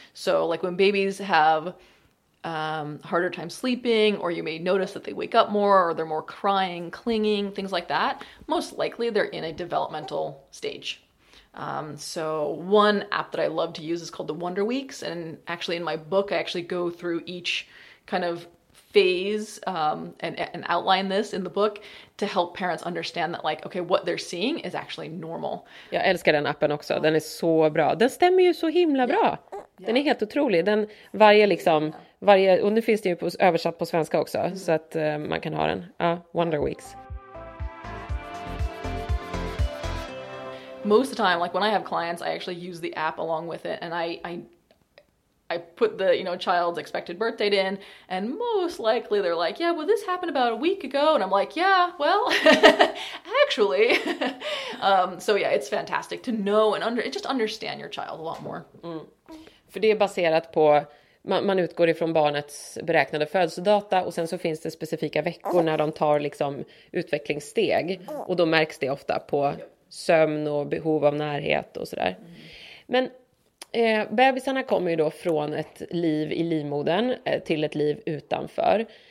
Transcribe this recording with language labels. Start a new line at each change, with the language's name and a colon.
English: So like when babies have harder time sleeping, or you may notice that they wake up more, or they're more crying, clinging, things like that, most likely they're in a developmental stage. So one app that I love to use is called the Wonder Weeks. And actually in my book, I actually go through each kind of phase, and outline this in the book to help parents understand that, like, okay, what they're seeing is actually normal.
Swedish: Jag älskar den appen också. Den är så bra. Den stämmer ju så himla bra. Yeah. Den är helt otrolig. Den varje liksom, varje, och nu finns det ju översatt på svenska också, så att man kan ha den. Ja, Wonder Weeks.
English: Most of the time, like when I have clients, I actually use the app along with it, and I put the, you know, child's expected birth date in, and most likely they're like, yeah, well, this happened about a week ago. And I'm like, yeah, well, actually. So yeah, it's fantastic to know and understand your child a lot more. Mm.
Swedish: För det är baserat på, man utgår ifrån barnets beräknade födelsedata, och sen så finns det specifika veckor när de tar liksom utvecklingssteg, och då märks det ofta på sömn och behov av närhet och sådär. Mm. Men bebisarna kommer ju då från ett liv i livmodern till ett liv utanför.